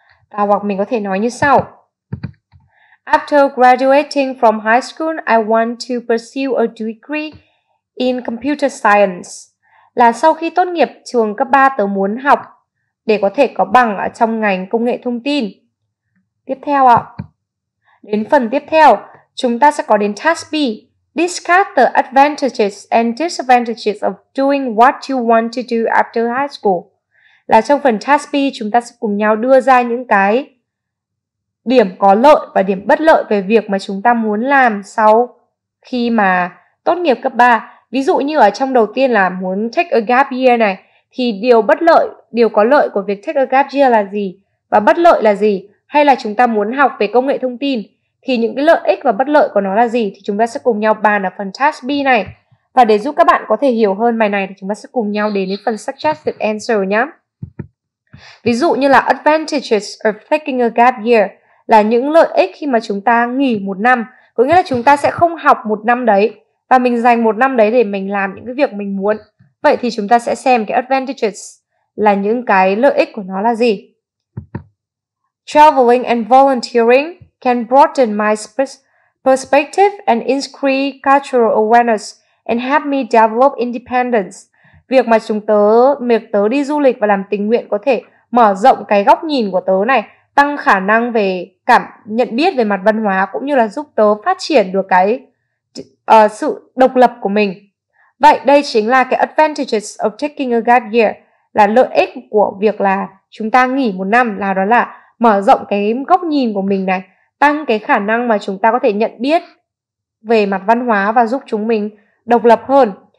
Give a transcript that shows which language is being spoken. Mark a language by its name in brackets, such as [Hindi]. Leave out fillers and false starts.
[Vietnamese] Và hoặc mình có thể nói như sau. [English] After graduating from high school, I want to pursue a degree in computer science. [Vietnamese] Là sau khi tốt nghiệp trường cấp 3, tớ muốn học để có thể có bằng ở trong ngành công nghệ thông tin. Tiếp theo ạ. Đến phần tiếp theo, chúng ta sẽ có đến task B. [English] Discuss the advantages and disadvantages of doing what you want to do after high school. [Vietnamese] Là trong phần task B, chúng ta sẽ cùng nhau đưa ra những cái điểm có lợi và điểm bất lợi về việc mà chúng ta muốn làm sau khi mà tốt nghiệp cấp 3. Ví dụ như ở trong đầu tiên là muốn [English] take a gap year [Vietnamese] này, thì điều bất lợi, điều có lợi của việc take a gap year là gì? Và bất lợi là gì? Hay là chúng ta muốn học về công nghệ thông tin, thì những cái lợi ích và bất lợi của nó là gì? Thì chúng ta sẽ cùng nhau bàn ở phần task B này. Và để giúp các bạn có thể hiểu hơn bài này thì chúng ta sẽ cùng nhau đến với phần suggested answer nhé. Ví dụ như là [English] advantages of taking a gap year [Vietnamese] là những lợi ích khi mà chúng ta nghỉ một năm, có nghĩa là chúng ta sẽ không học một năm đấy và mình dành một năm đấy để mình làm những cái việc mình muốn. Vậy thì chúng ta sẽ xem cái advantages là những cái lợi ích của nó là gì. [English] Traveling and volunteering can broaden my perspective and increase cultural awareness and help me develop independence. [Vietnamese] Việc mà việc tớ đi du lịch và làm tình nguyện có thể mở rộng cái góc nhìn của tớ này, tăng khả năng về cảm nhận biết về mặt văn hóa cũng như là giúp tớ phát triển được cái sự độc lập của mình. Vậy đây chính là cái [English] advantages of taking a gap year, [Vietnamese] là lợi ích của việc là chúng ta nghỉ một năm, là đó là mở rộng cái góc nhìn của mình này, tăng cái khả năng mà chúng ta có thể nhận biết về mặt văn hóa và giúp chúng mình độc lập hơn.